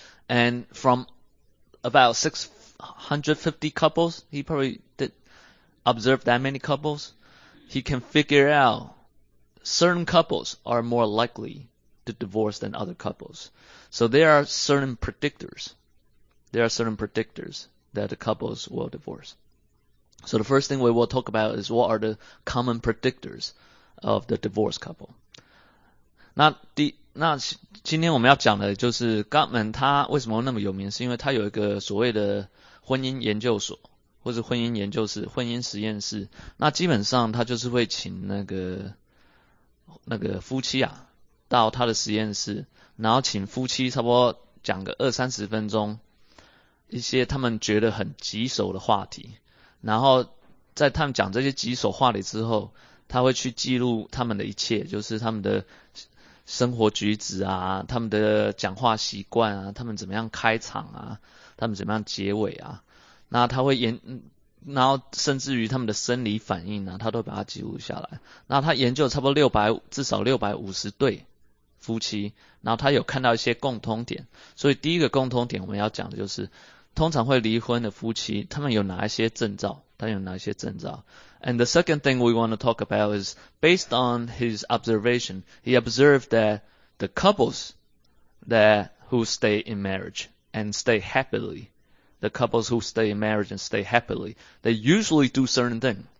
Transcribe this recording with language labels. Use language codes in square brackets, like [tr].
[en] And from about 650 couples, he probably did observe that many couples, he can figure out certain couples are more likely to divorce than other couples. So there are certain predictors. There are certain predictors that the couples will divorce. So the first thing we will talk about is what are the common predictors of the divorced couple。 [zh] 那第那今天我们要讲的就是 Gottman 他为什么那么有名，是因为他有一个所谓的婚姻研究所，或是婚姻研究室、婚姻实验室。那基本上他就是会请那个夫妻啊，到他的实验室，然后请夫妻差不多讲个二三十分钟，一些他们觉得很棘手的话题，然后在他们讲这些棘手话题之后，他会去记录他们的一切，就是他们的生活举止啊，他们的讲话习惯啊，他们怎么样开场啊，他们怎么样结尾啊，那他会研，然后甚至于他们的生理反应啊，他都把它记录下来。那他研究差不多至少650对夫妻，然后他有看到一些共通点，所以第一个共通点我们要讲的就是，通常会离婚的夫妻，他们有哪一些征兆？ [en] And the second thing we want to talk about is based on his observation, he observed that the couples that who stay in marriage and stay happily, the couples who stay in marriage and stay happily, they usually do certain thing.